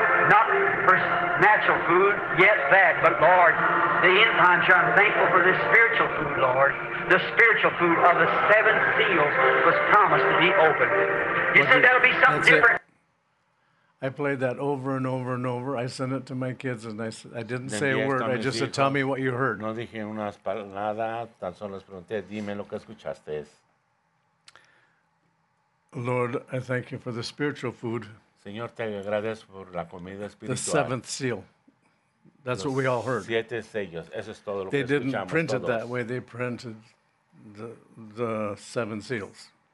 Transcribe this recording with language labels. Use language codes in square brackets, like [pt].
[en] Not for natural food, yet that, but Lord, the end times, I'm thankful for this spiritual food, Lord. The spiritual food of the seven seals was promised to be opened. You said that'll be something different. I played that over and over and over. I sent it to my kids, and I didn't say a word. I just said, tell me what you heard. [es] No dije unas nada, tan solo les pregunté, dime lo que escuchaste. [en] Lord, I thank you for the spiritual food. [es] Señor, te agradezco por la comida espiritual. [en] The seventh seal. That's what we all heard. [es] Siete sellos. Eso es todo lo que [en] they didn't print [es] todos. [en] It that way. They printed the seven seals.